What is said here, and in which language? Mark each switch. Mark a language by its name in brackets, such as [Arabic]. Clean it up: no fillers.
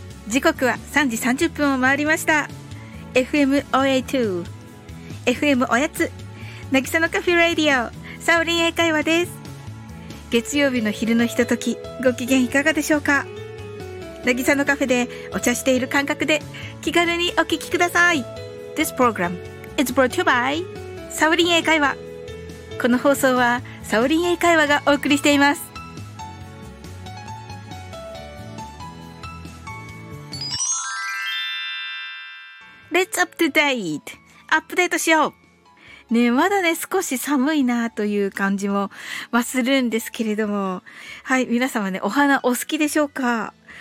[Japanese] 時刻は3時30分を回りました。FMOA2 FM おやつ、なぎさのカフェラディオ、サオリン英会話です。月曜日の昼のひととき、ご機嫌いかがでしょうか。なぎさのカフェでお茶している感覚で気軽にお聞きください。 [English] This program is brought to you by サオリン英会話。 [Japanese] この放送はサオリン英会話がお送りしています。 [English] Let's up to date! [Japanese] アップデートしよう！ね、まだね、少し寒いなという感じもするんですけれども、はい、皆様ね、お花お好きでしょうか？